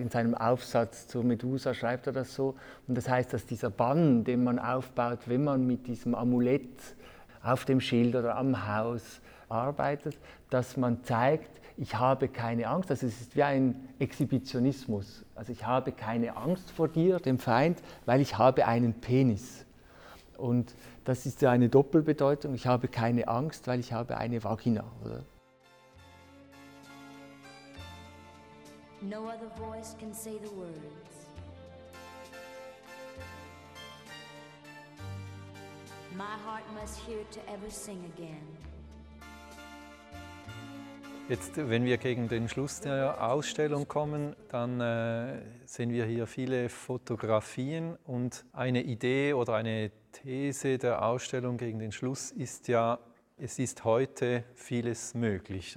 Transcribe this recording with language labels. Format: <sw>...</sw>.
<de>In seinem Aufsatz zur Medusa schreibt er das so, und das heißt, dass dieser Bann, den man aufbaut, wenn man mit diesem Amulett auf dem Schild oder am Haus arbeitet, dass man zeigt, ich habe keine Angst, also es ist wie ein Exhibitionismus. Also ich habe keine Angst vor dir, dem Feind, weil ich habe einen Penis. Und das ist ja eine Doppelbedeutung. Ich habe keine Angst, weil ich habe eine Vagina. Oder?</de> <en>No other voice can say the words. My heart must hear to ever sing again.</en> <de>Jetzt, wenn wir gegen den Schluss der Ausstellung kommen, dann sehen wir hier viele Fotografien. Und eine Idee oder eine These der Ausstellung gegen den Schluss ist ja, es ist heute vieles möglich.</de>